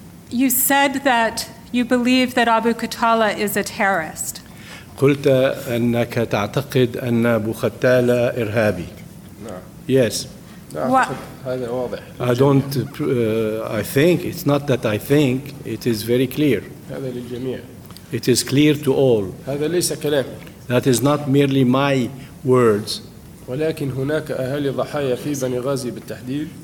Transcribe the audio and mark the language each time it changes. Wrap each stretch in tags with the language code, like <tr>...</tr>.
<en>You said that you believe that Abu Qatala is a terrorist.</en> <ar>قلت أنك تعتقد أن أبو قتالة إرهابي.</ar> <en>No. Yes. What? I don't. I think it's not that I think. It is very clear.</en> <ar>هذا للجميع.</ar> <en>It is clear to all.</en> <ar>هذا ليس كلامي.</ar> <en>That is not merely my words.</en> <ar>ولكن هناك أهالي ضحايا في بني غازي بالتحديد.</ar>